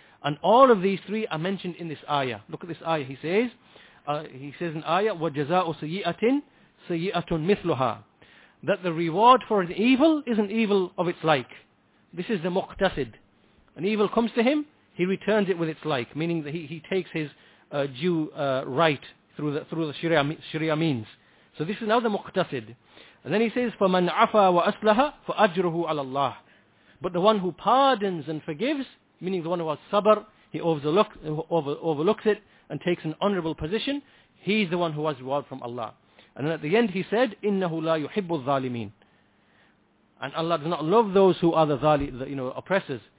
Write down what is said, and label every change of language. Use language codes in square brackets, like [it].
[en] And all of these three are mentioned in this ayah. Look at this ayah. He says in ayah, [ar] وَجَزَاءُ سَيِّئَةٍ سَيِّئَةٌ مِثْلُهَا, [en] that the reward for an evil is an evil of its like. This is the muqtasid. An evil comes to him, he returns it with its like, meaning that he takes his due right through the sharia means. So this is now the muqtasid. And then he says, [ar] فَمَنْ عَفَى وَأَسْلَحَ فَأَجْرُهُ عَلَى اللَّهِ. [en] But the one who pardons and forgives, meaning the one who has sabr, he overlooks it and takes an honorable position, he's the one who has reward from Allah. And then at the end he said, [ar] إِنَّهُ لَا يُحِبُّ الظَّالِمِينَ. [en] And Allah does not love those who are the oppressors.